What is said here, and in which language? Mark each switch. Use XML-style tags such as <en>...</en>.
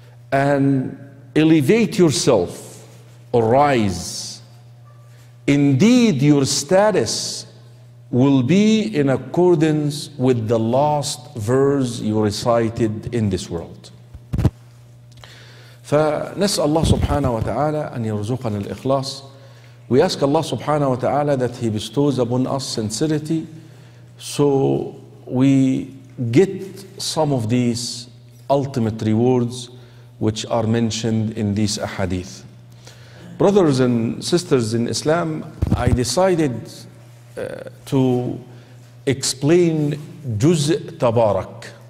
<en>And elevate yourself, arise. Indeed, your status will be in accordance with the last verse you recited in this world.</en> <ar>فنسأل الله سبحانه وتعالى أن يرزقنا الإخلاص.</ar> <en>We ask Allah subhanahu wa ta'ala that He bestows upon us sincerity so we get some of these ultimate rewards which are mentioned in these ahadith. Brothers and sisters in Islam, I decided to explain Juz Tabarak.</en>